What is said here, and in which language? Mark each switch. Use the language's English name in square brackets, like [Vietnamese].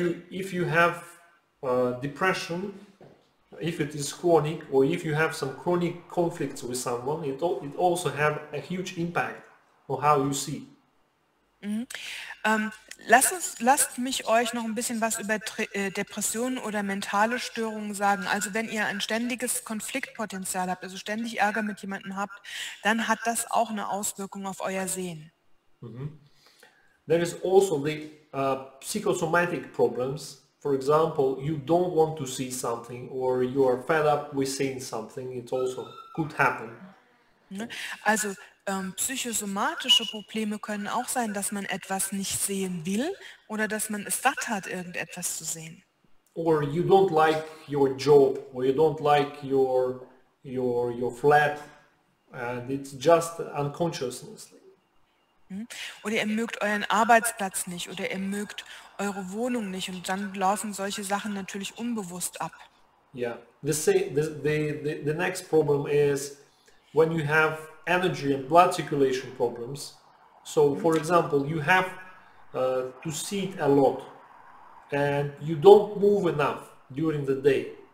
[English] If you have depression, if it is chronic, or if you have some chronic conflicts with someone, it also have a huge impact on how you see. [German] Lasst mich euch noch ein bisschen was über Depressionen oder mentale Störungen sagen. Also wenn ihr ein ständiges Konfliktpotenzial habt, also ständig Ärger mit jemandem habt, dann hat das auch eine Auswirkung auf euer Sehen. [English] There is also the psychosomatic problems. For example, you don't want to see something or you are fed up with seeing something. It also could happen. [German] Also psychosomatische Probleme können auch sein, dass man etwas nicht sehen will oder dass man es satt hat, irgendetwas zu sehen. [English] Or you don't like your job, or you don't like your flat, and it's just unconsciously. [German] Oder ihr mögt euren Arbeitsplatz nicht, oder ihr mögt eure Wohnung nicht, und dann laufen solche Sachen natürlich unbewusst ab. [English] Yeah, the next problem is when you have energy and blood circulation problems. So for example, you have to sit a lot and you don't move enough during the day.